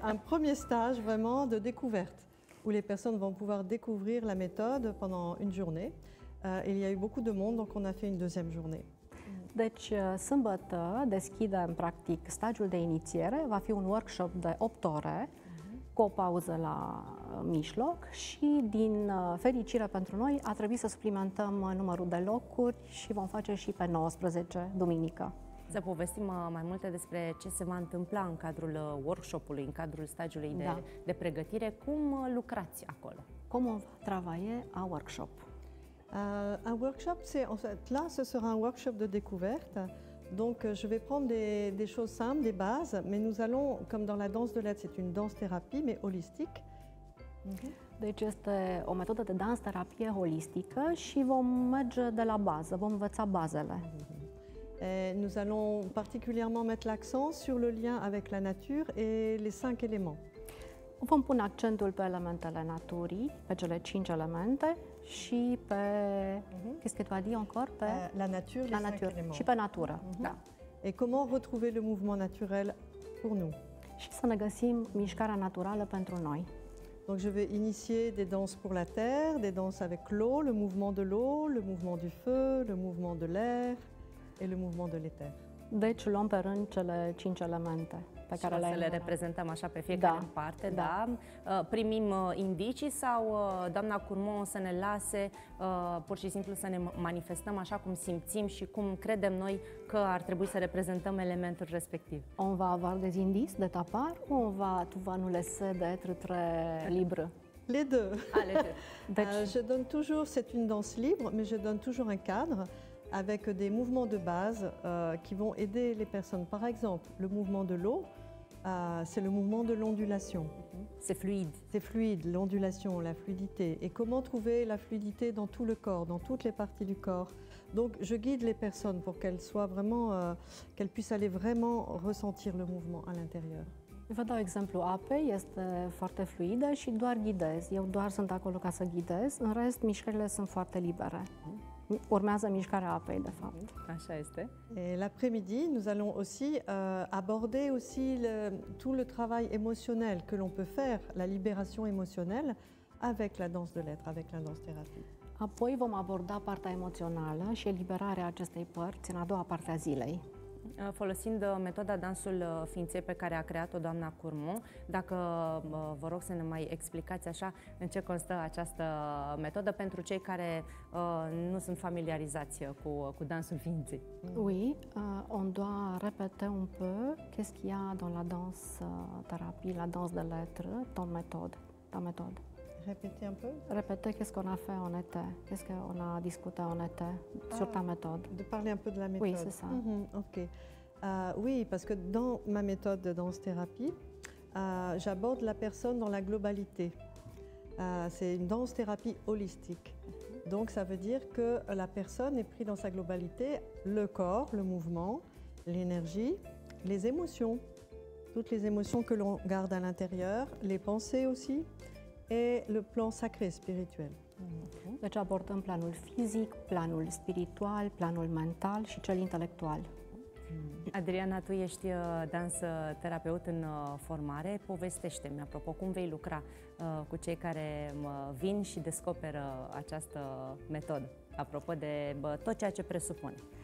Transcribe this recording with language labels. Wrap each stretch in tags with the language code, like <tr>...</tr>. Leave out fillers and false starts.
<fr>un premier stage vraiment de découverte où les personnes vont pouvoir découvrir la méthode pendant une journée. Il y a eu beaucoup de monde donc on a fait une deuxième journée.</fr> <ro>Deci, sâmbătă deschidem, practic, stagiul de inițiere. Va fi un workshop de 8 ore, cu o pauză la mijloc și, din fericire pentru noi, a trebuit să suplimentăm numărul de locuri și vom face și pe 19, duminică. Să povestim mai multe despre ce se va întâmpla în cadrul workshop-ului, în cadrul stagiului de pregătire. Cum lucrați acolo?</ro> <fr>Cum va travaille a workshop? Un workshop, c'est en fait là, ce sera un workshop de découverte. Donc, je vais prendre des choses simples, des bases, mais nous allons, comme dans la danse de l'aide, c'est une danse thérapie, mais holistique. Okay.</fr> <ro>Deci este o metodă de dans-terapie holistică și vom merge de la bază, vom învăța bazele.</ro> <fr>Et nous allons particulièrement mettre l'accent sur le lien avec la nature et les cinq éléments.</fr> <ro>Vom pune accentul pe elementele naturii, pe cele cinci elemente și pe</ro> <fr>qu'est-ce que tu as dit encore</fr> <ro>pe</ro> <fr>la nature, la nature</fr> <ro>și pe natură. Da.</ro> <fr>Et comment retrouver le mouvement naturel pour nous?</fr> <ro>Și să ne găsim mișcarea naturală pentru noi.</ro> <fr>Donc je vais initier des danses pour la terre, des danses avec l'eau, le mouvement de l'eau, le mouvement du feu, le mouvement de l'air. Et le mouvement de l'éther.</fr> <ro>Deci luăm pe rând cele cinci elemente pe care le numărat. Reprezentăm așa pe fiecare da. În parte, da. Da. Primim indicii sau doamna Curmon să ne lase pur și simplu să ne manifestăm așa cum simțim și cum credem noi că ar trebui să reprezentăm elementul respectiv.</ro> <fr>On va avoir des indices de ta part ou on va tu vas nous laisser d'être très libre. Les deux. Ah, les deux.</fr> <ro>Deci...</ro> <fr>je donne toujours c'est une danse libre mais je donne toujours un cadre. Avec des mouvements de base qui vont aider les personnes. Par exemple, le mouvement de l'eau, c'est le mouvement de l'ondulation. C'est fluide. C'est fluide, l'ondulation, la fluidité. Et comment trouver la fluidité dans tout le corps, dans toutes les parties du corps? Donc, je guide les personnes pour qu'elles soient vraiment, qu'elles puissent aller vraiment ressentir le mouvement à l'intérieur.</fr> <ro>Vă dau exemplu, apei este foarte fluidă și doar ghidez. Eu doar sunt acolo ca să ghidez. În rest, mișcările sunt foarte libere. Urmează mișcarea apei, de fapt. Așa este.</ro> <fr>Et l'après-midi, nous allons aussi aborder aussi le, tout le travail émotionnel que l'on peut faire, la libération émotionnelle, avec la danse de l'être, avec la danse thérapie.</fr> <ro>Apoi vom aborda partea emoțională și eliberarea acestei părți în a doua parte a zilei. Folosind metoda dansul ființei pe care a creat-o doamna Curmon, dacă vă rog să ne mai explicați așa în ce constă această metodă pentru cei care nu sunt familiarizați cu dansul ființei.</ro> <fr>Oui, on doit répéter un peu qu'est-ce qu'il y a dans la danse thérapie, la danse de l'être,</fr> <ro>ta metodă.</ro> <fr>Répéter un peu? Répéter qu'est-ce qu'on a fait en été, qu'est-ce qu'on a discuté en été sur ta méthode. De parler un peu de la méthode. Oui, c'est ça. Ok. Oui, parce que dans ma méthode de danse-thérapie, j'aborde la personne dans la globalité. C'est une danse-thérapie holistique. Donc ça veut dire que la personne est prise dans sa globalité, le corps, le mouvement, l'énergie, les émotions, toutes les émotions que l'on garde à l'intérieur, les pensées aussi. Et le plan sacré spirituel.</fr> <ro>Deci abordăm planul fizic, planul spiritual, planul mental și cel intelectual. Adriana, tu ești dans-terapeut în formare. Povestește-mi, apropo, cum vei lucra cu cei care vin și descoperă această metodă, apropo de tot ceea ce presupune.</ro>